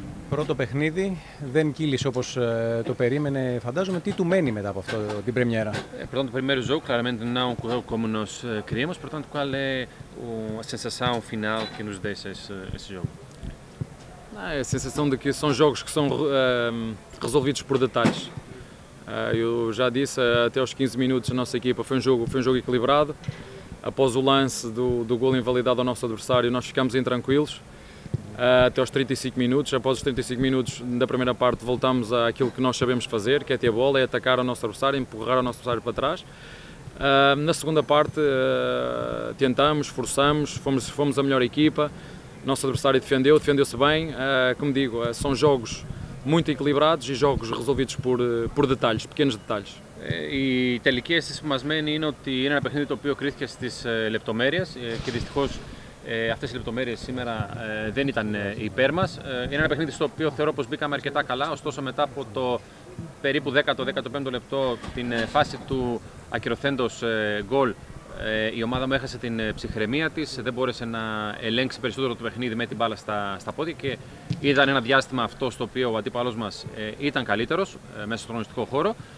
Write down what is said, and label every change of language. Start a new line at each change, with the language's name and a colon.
Greek: πρώτο παιχνίδι, δεν κύλησε όπως το περίμενε, φαντάζομαι. Τι του μένει μετά από αυτό την πρεμιέρα? Πρώτον, το πρώτο ζώο, κλαραμέντε, να ο κόμμουνος κρύμος. Πρώτον, το κουάλε,
Portuguese: ο sensação final que nos deixa esse jogo. A sensação de que são jogos que são resolvidos por detalhes. Eu já disse, até aos 15 minutos a nossa equipa foi um jogo equilibrado. Após o lance do golo invalidado ao nosso adversário, nós ficamos intranquilos. Até aos 35 minutos, após os 35 minutos da primeira parte, voltamos àquilo que nós sabemos fazer, que é ter a bola, é atacar o nosso adversário, empurrar o nosso adversário para trás. Na segunda parte, tentamos, forçamos, fomos a melhor equipa. Nosso adversário defendeu-se bem. Como digo, são jogos muito equilibrados e jogos resolvidos por detalhes, pequenos detalhes.
Greek: Η τελική αίσθηση που μας μένει είναι ότι είναι ένα παιχνίδι το οποίο κρίθηκε στις λεπτομέρειες και δυστυχώς αυτές οι λεπτομέρειες σήμερα δεν ήταν υπέρ μας. Είναι ένα παιχνίδι στο οποίο θεωρώ πως μπήκαμε αρκετά καλά, ωστόσο μετά από το περίπου 10-15 λεπτό την φάση του ακυρωθέντος γκολ, η ομάδα μου έχασε την ψυχραιμία της, δεν μπόρεσε να ελέγξει περισσότερο το παιχνίδι με την μπάλα στα πόδια και ήταν ένα διάστημα αυτό στο οποίο ο αντίπαλός μας ήταν καλύτερος μέσα στον αγωνιστικό χώρο.